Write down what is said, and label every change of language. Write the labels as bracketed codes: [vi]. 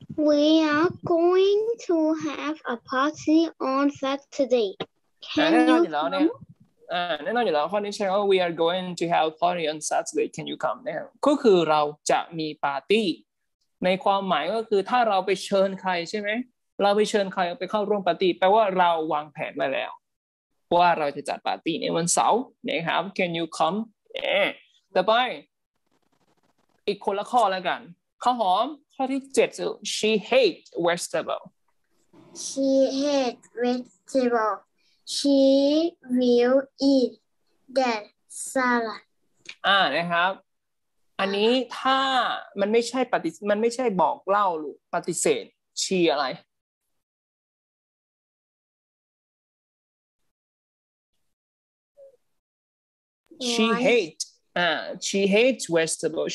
[en] We are going to have a party on Saturday. Can you come? [th] แน่นอนอยู่แล้วข้อนี้ใช่ไหมว่า [en] we are going to have a party on Saturday. Can you come? [th] ก็คือเราจะมีปาร์ตี้ในความหมายก็คือถ้าเราไปเชิญใครใช่ไหมเราไปเชิญใครไปเข้าร่วมปาร์ตี้แปลว่าเราวางแผนไว้แล้วว่าเราจะจัดปาร์ตี้ในวันเสาร์นะครับ [en] Can you come? [th] ต่อไปอีกคนละข้อแล้วกันข้าวหอมข้อที่7 [en] she hates vegetable she hates vegetable she will eat that salad [th] นะครับอันนี้ถ้ามันไม่ใช่บอกเล่าลูกปฏิเสธ she อะไร [en] she hatesShe hates vegetables.